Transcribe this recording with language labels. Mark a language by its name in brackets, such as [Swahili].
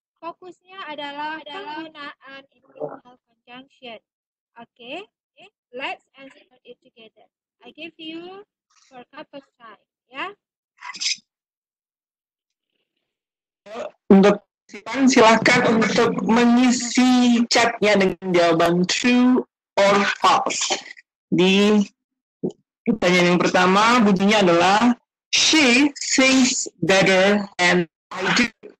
[Indonesian] Fokusnya adalah penggunaan internal conjunction. [English] Oke, let's answer it together. I give you for a cup of time, ya. [Indonesian] Untuk siapkan, silakan untuk mengisi chatnya dengan jawaban [English] true or false. [Indonesian] Di pertanyaan yang pertama, bunyinya adalah [English] she thinks better than I do.